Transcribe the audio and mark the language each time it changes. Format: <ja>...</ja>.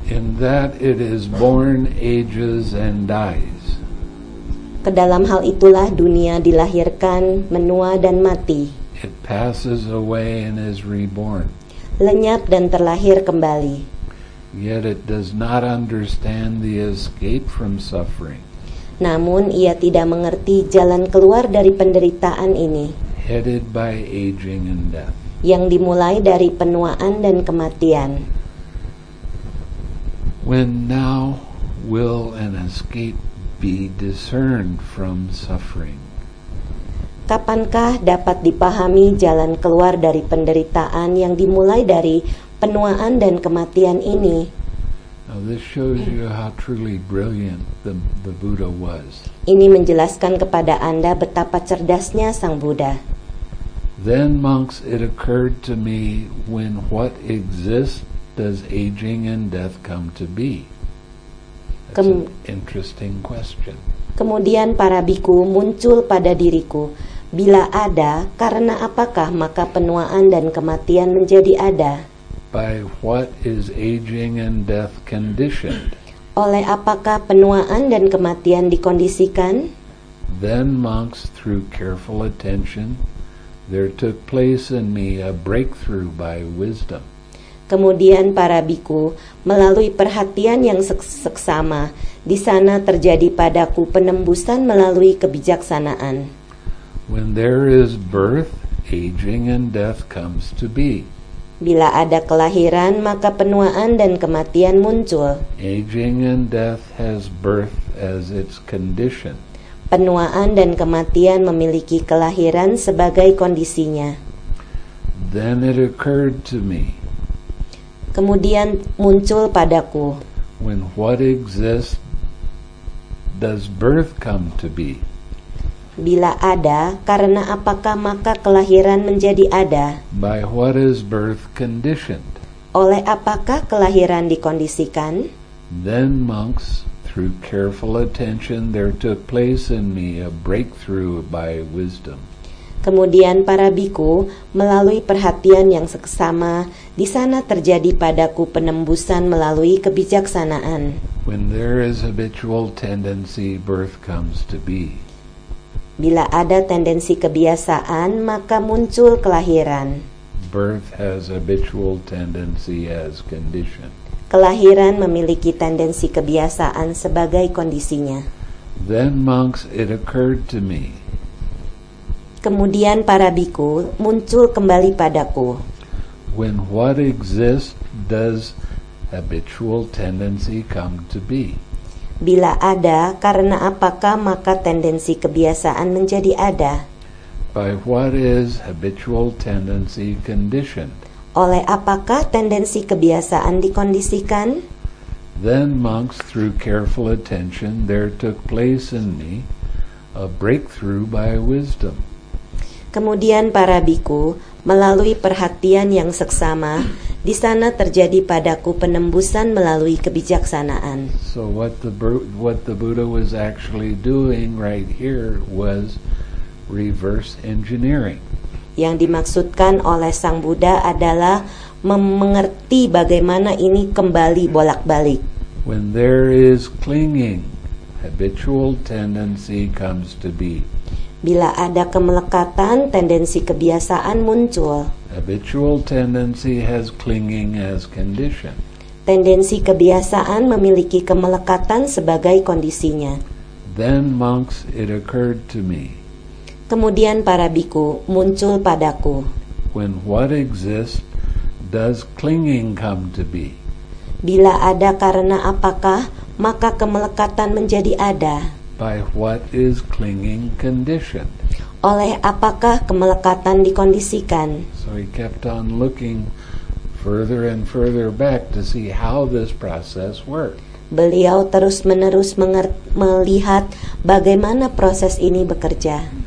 <en>In that it is born, ages and dies.</en> <id>Ke dalam hal itulah dunia dilahirkan, menua dan mati.</id> <en>It passes away and is reborn.</en> <id>Lenyap dan terlahir kembali.</id> <en>Yet it does not understand the escape from suffering.</en> <id>Namun ia tidak mengerti jalan keluar dari penderitaan ini.</id> <en>Headed by aging and death.</en> <id>Yang dimulai dari penuaan dan kematian.</id> <en>When now will an escape be discerned from suffering?</en> <id>Kapankah dapat dipahami jalan keluar dari penderitaan yang dimulai dari penuaan dan kematian ini?</id> <en>Now this shows you how truly brilliant the Buddha was.</en> <id>Ini menjelaskan kepada Anda betapa cerdasnya Sang Buddha.</id> <en>Then, monks, it occurred to me, when what exists does aging and death come to be? That's an interesting question.</en> <id>Kemudian para bhikkhu muncul pada diriku, bila ada, karena apakah maka penuaan dan kematian menjadi ada?</id> <en>By what is aging and death conditioned?</en> <id>Oleh apakah penuaan dan kematian dikondisikan?</id> <en>Then monks, through careful attention, there took place in me a breakthrough by wisdom.</en> <id>Kemudian para bhikkhu, melalui perhatian yang seksama, di sana terjadi padaku penembusan melalui kebijaksanaan.</id> <en>When there is birth, aging and death comes to be.</en> <id>Bila ada kelahiran, maka penuaan dan kematian muncul.</id> <en>Aging and death has birth as its condition.</en> <id>Penuaan dan kematian memiliki kelahiran sebagai kondisinya.</id> <en>Then it occurred to me.</en> <id>Kemudian muncul padaku.</id> <en>When what exists, does birth come to be?</en> <id>Bila ada, karena apakah maka kelahiran menjadi ada?</id> <en>By what is birth conditioned?</en> <id>Oleh apakah kelahiran dikondisikan?</id> <en>Then monks, through careful attention, there took place in me a breakthrough by wisdom.</en> <id>Kemudian para bhikkhu, melalui perhatian yang seksama, di sana terjadi padaku penembusan melalui kebijaksanaan.</id> <en>When there is habitual tendency, birth comes to be.</en> <id>Bila ada tendensi kebiasaan, maka muncul kelahiran.</id> <en>Birth has habitual tendency as condition.</en> <id>Kelahiran memiliki tendensi kebiasaan sebagai kondisinya.</id> <en>Then monks, it occurred to me.</en> <id>Kemudian para bhikkhu, muncul kembali padaku.</id> <en>When what exists, does habitual tendency come to be?</en> <id>Bila ada, karena apakah maka tendensi kebiasaan menjadi ada?</id> <en>By what is habitual tendency conditioned?</en> <id>Oleh apakah tendensi kebiasaan dikondisikan?</id> <en>Then monks, through careful attention, there took place in me a breakthrough by wisdom.</en> <id>Kemudian para bhikkhu, melalui perhatian yang seksama, di sana terjadi padaku penembusan melalui kebijaksanaan.</id> <en>So what the Buddha was actually doing right here was reverse engineering.</en> <id>Yang dimaksudkan oleh Sang Buddha adalah mengerti bagaimana ini kembali bolak-balik.</id> <en>When there is clinging, habitual tendency comes to be.</en> <id>Bila ada kemelekatan, tendensi kebiasaan muncul.</id> <en>Habitual tendency has clinging as condition.</en> <id>Tendensi kebiasaan memiliki kemelekatan sebagai kondisinya.</id> <en>Then monks, it occurred to me.</en> <id>Kemudian para bhikkhu, muncul padaku.</id> <en>When what exists, does clinging come to be?</en> <id>Bila ada karena apakah, maka kemelekatan menjadi ada.</id> <en>By what is clinging conditioned?</en> <id>Oleh apakah kemelekatan dikondisikan?</id> <en>So he kept on looking further and further back to see how this process worked.</en> <id>Beliau terus-menerus melihat bagaimana proses ini bekerja.</id>